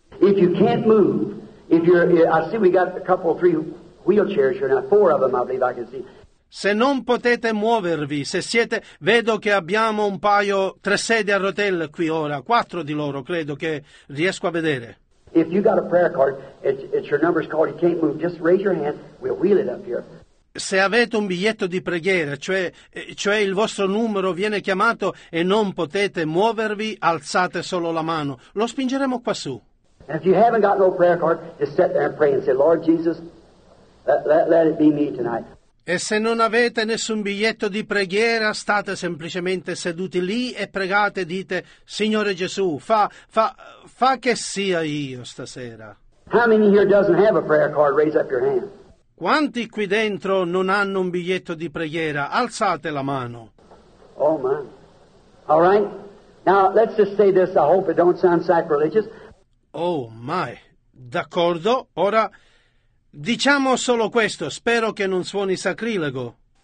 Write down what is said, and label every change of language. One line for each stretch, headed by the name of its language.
English: If you can't move, if you're... I see we got a couple, three... wheelchairs here now, four of them, I believe I can see.
Italian: Se non potete muovervi, se siete, vedo che abbiamo un paio, tre sedie a rotelle qui ora, quattro di loro, credo che riesco a vedere.
English: If you got a prayer card, it's your number's called, you can't move, just raise your hand, we'll wheel it up here.
Italian: Se avete un biglietto di preghiera, cioè il vostro numero viene chiamato e non potete muovervi, alzate solo la mano, lo spingeremo quassù.
English: And if you haven't got no prayer card, just sit there and pray and say, Lord Jesus, Let it be me tonight.
Italian: E se non avete nessun biglietto di preghiera, state semplicemente seduti lì e pregate, dite, Signore Gesù, fa che sia io stasera.
English: How many here doesn't have a prayer card? Raise up your hand.
Italian: Quanti qui dentro non hanno un biglietto di preghiera? Alzate la mano.
English: Oh man. All right. Now let's just say this. I hope it don't sound sacrilegious. Oh my.
Italian: D'accordo, ora diciamo solo questo, spero che non suoni sacrilego.